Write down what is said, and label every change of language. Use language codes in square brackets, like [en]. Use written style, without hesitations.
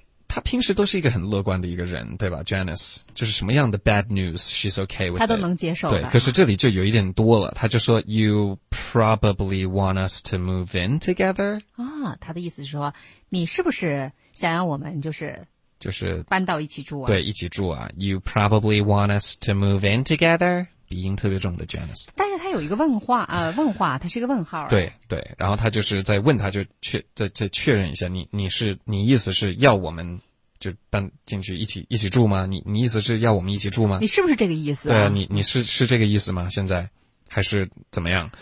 [zh] 他平时都是一个很乐观的一个人，对吧 ？Janice 就是什么样的 [en] bad news she's okay with， [zh] 他都能接受的。对，可是这里就有一点多了，他就说 [en] you probably want us to move in together。 [zh] 啊，他的意思是说，你是不是想要我们就是搬到一起住啊？对，一起住啊。 [en] You probably want us to move in together。 [zh] 鼻音特别重的 Janice，但是他有一个问话，他是一个问号、啊。对对，然后他就是在问他，就确认一下，你意思是要我们就搬进去一起住吗？你意思是要我们一起住吗？你是不是这个意思、啊？对，你是这个意思吗？现在还是怎么样？